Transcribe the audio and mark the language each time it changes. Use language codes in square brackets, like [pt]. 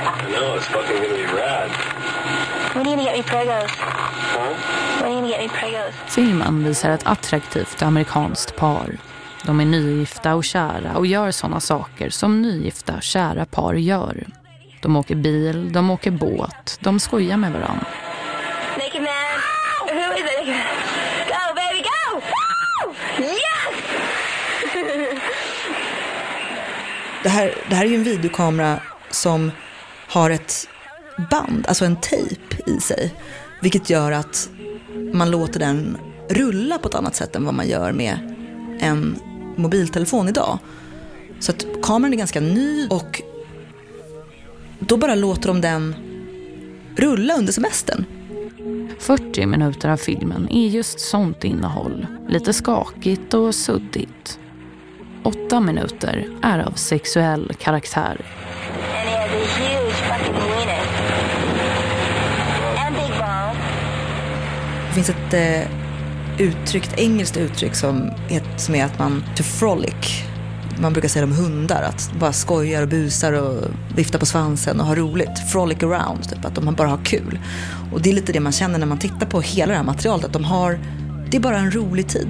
[en] I know, it's fucking gonna be rad. When are you gonna get me pregos? Huh? When are you gonna get me pregos? [sv] Filmen visar ett attraktivt amerikanskt par. De är nygifta och kära och gör såna saker som nygifta kära par gör. De åker bil, de åker båt, de skojar med varandra. [en] Naked man. Who is it? Go, baby, go! Woo! Yes! [sv] Det här är ju en videokamera som har ett band, alltså en tejp i sig. Vilket gör att man låter den rulla på ett annat sätt än vad man gör med en mobiltelefon idag. Så att kameran är ganska ny och då bara låter de den rulla under semestern. 40 minuter av filmen är just sånt innehåll. Lite skakigt och suddigt. 8 minuter är av sexuell karaktär. [en] And he has a huge fucking penis. And big balls. [sv] Det finns ett engelskt uttryck som är att man to frolic. Man brukar säga om hundar att bara skojar och busar och viftar på svansen och har roligt. [en] Frolic around, [sv] typ, att de bara har kul. Och det är lite det man känner när man tittar på hela det här materialet, att de har... Det är bara en rolig tid.